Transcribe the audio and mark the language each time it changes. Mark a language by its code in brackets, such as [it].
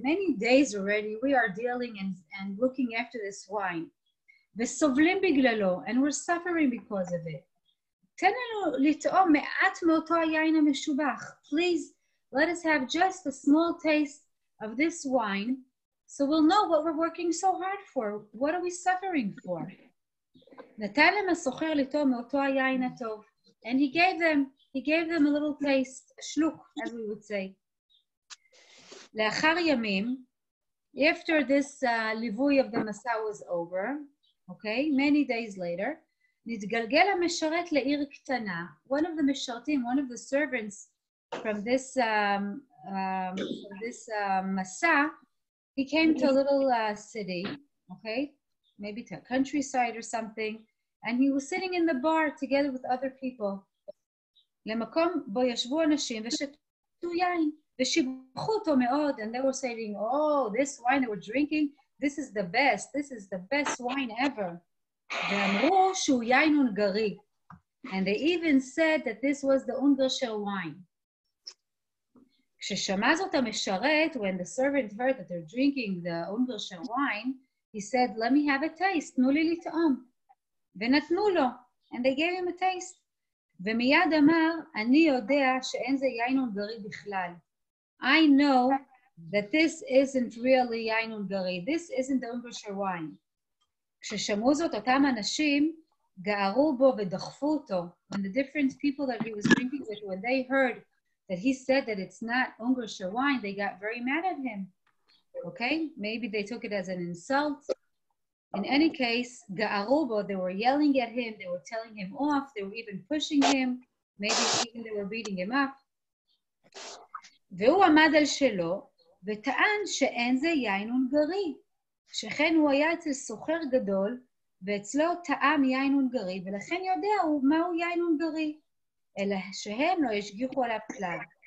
[en] Many days already we are dealing and looking after this wine. [he] וסובלים בגללו, [en] and we're suffering because of it. [he] תן לנו לטעום מעט מאותו היין המשובח. [en] Please, let us have just a small taste of this wine, so we'll know what we're working so hard for. What are we suffering for? [he] נתן להם הסוחר לטעום מאותו היין הטוב. [en] And he gave them a little taste, a shluk, as we would say. [he] לאחר ימים, [en] after this ליווי of the masa was over, okay, many days later, [he] נתגלגל המשרת לעיר קטנה. [en] One of the משרתים, one of the servants from this masa, he came to a little city, okay, maybe to a countryside or something, and he was sitting in the bar together with other people. [he] למקום בו ישבו אנשים ושתו יין ושיבחו אותו מאוד, [en] and they were saying, oh, this wine that we're drinking, this is the best wine ever. [he] ואמרו שהוא יין הונגרי. [en] And they even said that this was the Ungersche wine. [he] כששמע זאת המשרת, [en] when the servant heard that they're drinking the Ungersche wine, he said, let me have a taste, [he] תנו לי לטעום. ונתנו לו, [en] and they gave him a taste. [he] ומיד אמר, אני יודע שאין זה יין הונגרי בכלל. [en] I know that this isn't really [he] יין הונגרי, [en] this isn't the Ungersche wine. [he] כששמעו זאת אותם אנשים, גערו בו ודחפו אותו. [en] When the different people that he was drinking with, when they heard that he said that it's not Ungersche wine, they got very mad at him. Okay? Maybe they took it as an insult. In any case, [he] גערו בו, [en] they were yelling at him, they were telling him off, they were even pushing him, maybe even they were beating him up. [he] והוא עמד על שלו וטען שאין זה יין הונגרי. שכן הוא היה אצל סוחר גדול, ואצלו טעם יין הונגרי, ולכן יודע הוא מהו יין הונגרי, אלא שהם לא השגיחו עליו כלל.